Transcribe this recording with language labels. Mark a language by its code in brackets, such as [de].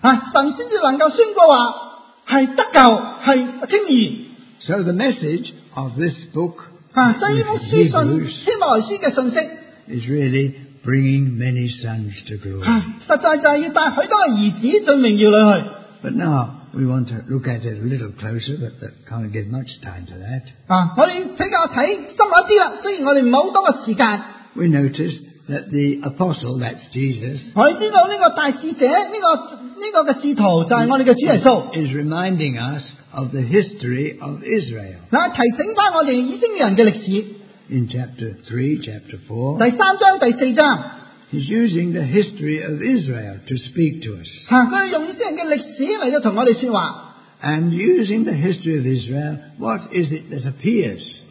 [zh] 啊, 神才能够宣告说, 是得救, 是清义, [en] so the message of this book, [zh] 啊, 所以这本书信, Hebrews, [en] is really bringing many sons to glory. [zh] 啊, 实在就是要带很多儿子进荣耀里去, [en] but now we want to look at it a little closer, but that can't give much time to that. [zh] 啊, 我们比较看深一点了, 虽然我们没有多的时间, [en] we notice that the apostle, that's Jesus, [zh] 我们知道这个大使者, [en] is reminding us of the history of Israel. [zh] 提醒我们以色列人的历史, [en] in chapter 3, chapter 4, [zh] 第三章, 第四章, [en] He's using the history of Israel to speak to us. And using the history of Israel, what is it that appears?